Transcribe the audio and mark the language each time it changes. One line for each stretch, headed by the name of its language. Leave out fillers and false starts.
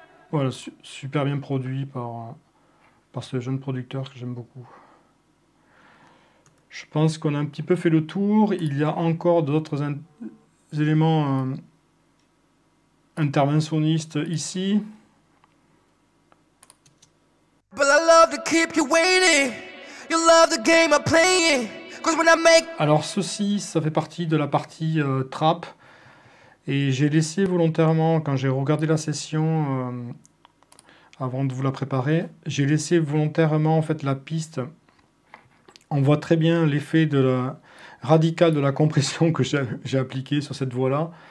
French: Voilà, super bien produit par ce jeune producteur que j'aime beaucoup. Je pense qu'on a un petit peu fait le tour. Il y a encore d'autres éléments interventionnistes ici.
English: But I love to keep you waiting. You love the game I'm playing. 'Cause when I make...
French: Alors ceci, ça fait partie de la partie trap. Et j'ai laissé volontairement, quand j'ai regardé la session, avant de vous la préparer, j'ai laissé volontairement en fait la piste. On voit très bien l'effet de la radical de la compression que j'ai appliqué sur cette voix-là.